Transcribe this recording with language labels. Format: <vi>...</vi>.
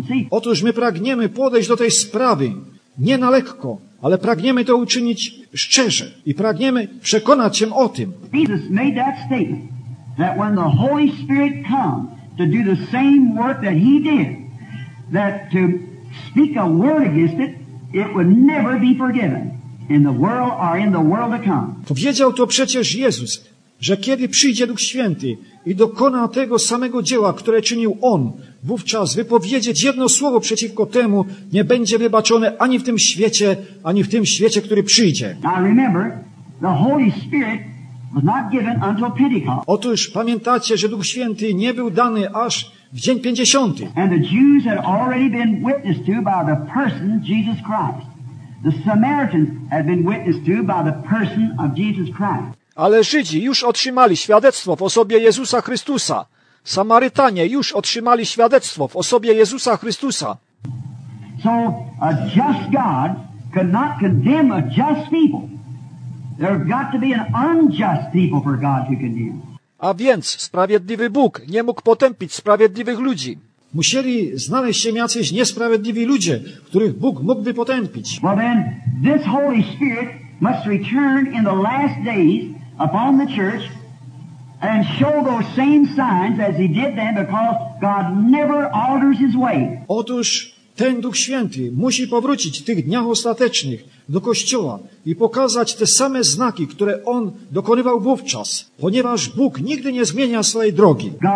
<pl>Otóż my pragniemy podejść do tej sprawy nie na lekko, ale pragniemy to uczynić szczerze i pragniemy przekonać się o tym.</pl> <en>Jesus made that statement that when the Holy Spirit comes to do the same work that he did, that to speak a word against it, it would never be forgiven in the world or in the world to come.</en> <pl>Powiedział to przecież Jezus, że kiedy przyjdzie Duch Święty i dokona tego samego dzieła, które czynił on, wówczas wypowiedzieć jedno słowo przeciwko temu nie będzie wybaczone ani w tym świecie, ani w tym świecie, który przyjdzie.</pl> <en>Now remember, the Holy Spirit was not given until Pentecost.</en> <pl>Otóż pamiętacie, że Duch Święty nie był dany aż w dzień 50.</pl> <en>And the Jews had already been witnessed to by the person Jesus Christ. The Samaritans had been witnessed to by the person of Jesus Christ.</en> <pl>Ale Żydzi już otrzymali świadectwo w osobie Jezusa Chrystusa. Samarytanie już otrzymali świadectwo w osobie Jezusa Chrystusa.</pl> <en>So a just God could not condemn a just people. There have got to be an unjust people for God to condemn.</en> <pl>A więc sprawiedliwy Bóg nie mógł potępić sprawiedliwych ludzi. Musieli znaleźć się jacyś niesprawiedliwi ludzie, których Bóg mógłby potępić.</pl> <en>Well then, this Holy Spirit must return in the last days upon the church and show those same signs as he did then, because God never alters his way.</en> <pl>Otóż ten Duch Święty musi powrócić w tych dniach ostatecznych do Kościoła i pokazać te same znaki, które on dokonywał wówczas, ponieważ Bóg nigdy nie zmienia swojej drogi.</pl>